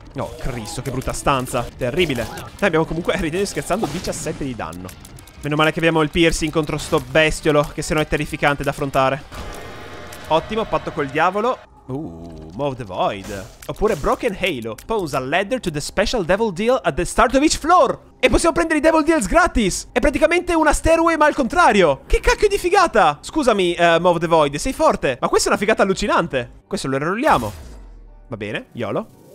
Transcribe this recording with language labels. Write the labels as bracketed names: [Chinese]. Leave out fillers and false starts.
[Italian] Oh, Cristo, che brutta stanza. Terribile. Noi abbiamo comunque, ridendo e scherzando, 17 di danno. Meno male che abbiamo il piercing contro sto bestiolo, che sennò è terrificante da affrontare. Ottimo, patto col diavolo. [English] Move the Void. Oppure Broken Halo. Pose a ladder to the special Devil Deal at the start of each floor. [Italian] E possiamo prendere i Devil Deals gratis. È praticamente una stairway ma al contrario. Che cacchio di figata. Scusami, Move the Void, sei forte. Ma questa è una figata allucinante. Questo lo rerolliamo. Va bene, YOLO.